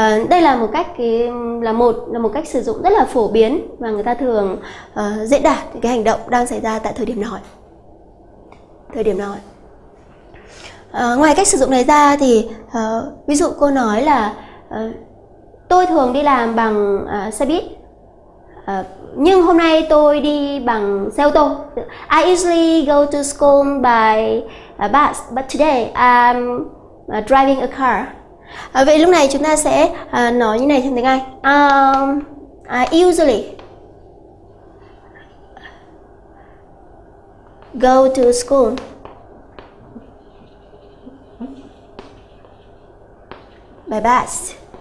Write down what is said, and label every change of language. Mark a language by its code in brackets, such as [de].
[vi] Đây là một cách cách sử dụng rất là phổ biến và người ta thường diễn đạt cái hành động đang xảy ra tại thời điểm nói. Thời điểm nói. Ngoài cách sử dụng này ra thì ví dụ cô nói là tôi thường đi làm bằng xe buýt, nhưng hôm nay tôi đi bằng xe ô tô. [en] I usually go to school by bus, but today I'm driving a car. [vi] Vậy lúc này chúng ta sẽ nói như này trong tiếng Anh. [en] Usually go to school by bus.